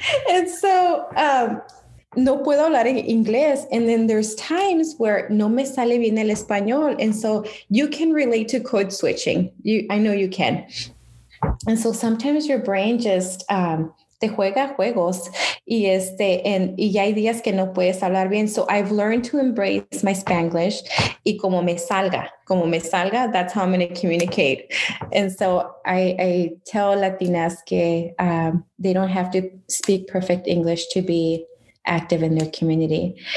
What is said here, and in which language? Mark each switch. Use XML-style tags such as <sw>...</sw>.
<en>And so</en> <es>no puedo hablar en inglés.</es> <en>And then there's times where</en> <es>no me sale bien el español.</es> <en>And so you can relate to code switching. I know you can. And so sometimes your brain just</en> <es>te juega juegos y ya hay días que no puedes hablar bien.</es> <en>So I've learned to embrace my Spanglish,</en> <es>y como me salga,</es> <en>that's how I'm going to communicate. And so I tell Latinas que they don't have to speak perfect English to be active in their community.</en>